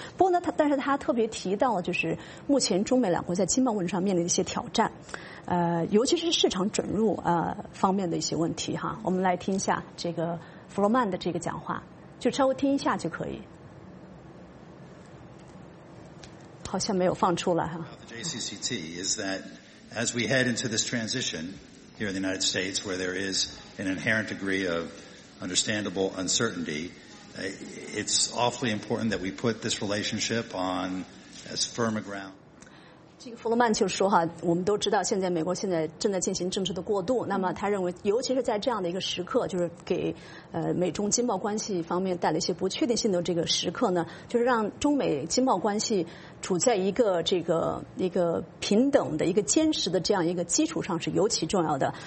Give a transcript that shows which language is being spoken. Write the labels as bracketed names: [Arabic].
[Chinese] 不过呢，但是他特别提到了就是目前中美两国在经贸问题上面临的一些挑战，尤其是市场准入方面的一些问题哈。我们来听一下这个弗罗曼的这个讲话，就稍微听一下就可以。好像没有放出来哈。 [English] The JCCT is that as we head into this transition here in the United States, where there is an inherent degree of understandable uncertainty, it's awfully important that we put this relationship on as firm a ground. [Chinese] 这个弗罗曼就说哈，我们都知道现在美国现在正在进行政治的过渡，那么他认为尤其是在这样的一个时刻，就是给美中经贸关系方面带来一些不确定性的这个时刻呢，就是让中美经贸关系处在一个这个一个平等的一个坚实的这样一个基础上是尤其重要的。